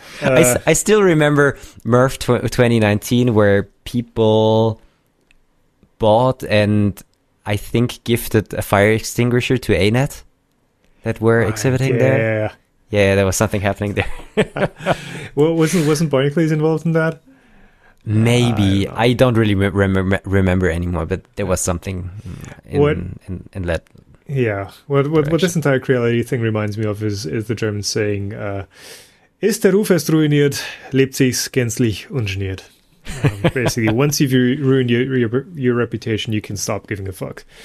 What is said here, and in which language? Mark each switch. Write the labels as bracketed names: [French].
[English] I still remember Murph 2019 where people bought and I think gifted a fire extinguisher to ANET that were exhibiting there. Yeah, there was something happening there. Well, wasn't Barclays involved in that? Maybe. I don't really remember anymore, but there was something in that. Yeah. What this entire Creality thing reminds me of is the German saying, [German] ist der Ruf erst ruiniert, lebt sich gänzlich ungeniert. [English] Basically, once you've ruined your reputation, you can stop giving a fuck.